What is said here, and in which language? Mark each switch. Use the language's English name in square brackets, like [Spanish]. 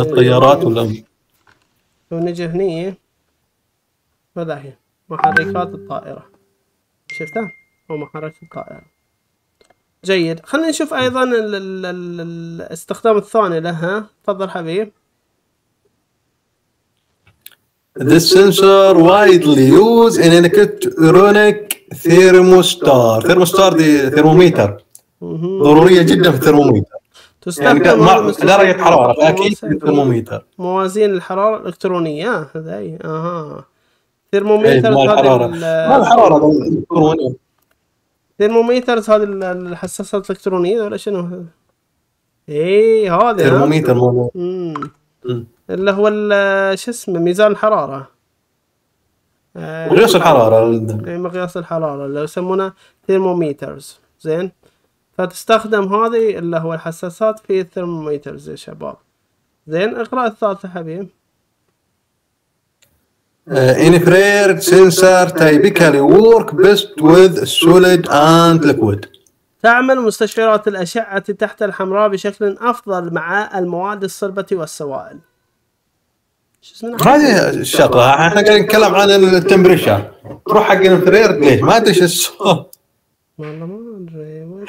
[Arabic] الطيارات ولا لو نجي هني ماذا هي محركات الطائرة. شفتها هو محرك الطائرة. جيد خلينا نشوف أيضا الاستخدام الثاني لها. تفضل حبيب. [English] This sensor widely used in electronic thermostar. [Arabic] thermostar دي ثرموميتر ضرورية جدا في الثرموميتر. تستخدم يعني درجة حرارة أكيد الترموميتر موازين الحرارة الإلكترونية هذي. أها ترموميتر مال الحرارة مال الحرارة الإلكترونية ترموميتر هذي الحساسات الإلكترونية ولا شنو إيه هذا ترموميتر اللي هو شو اسمه ميزان الحرارة مقياس الحرارة إيه مقياس الحرارة اللي يسمونه ترموميترز زين. فتستخدم هذه اللي هو الحساسات في الثرموميترز يا شباب زين. اقرا الثالثه حبيب. [English] Infrared sensor typically work best with solid and liquid. [Arabic] تعمل مستشعرات الاشعه تحت الحمراء بشكل افضل مع المواد الصلبه والسوائل. هذه الشغله احنا قاعدين نتكلم عن التمبريشر. تروح حق الانفريرد ليش ما ادري شو السؤال. والله ما ادري